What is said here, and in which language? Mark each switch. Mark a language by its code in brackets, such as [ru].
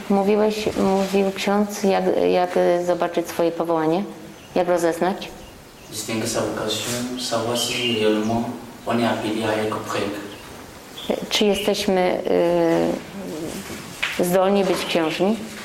[pl] Mówiłeś, mówił ksiądz, jak zobaczyć swoje powołanie? Jak rozeznać? [fr] Distingue sa vocation, savoir si réellement on est appelé à être prêtre. [pl] Czy jesteśmy zdolni być księżmi?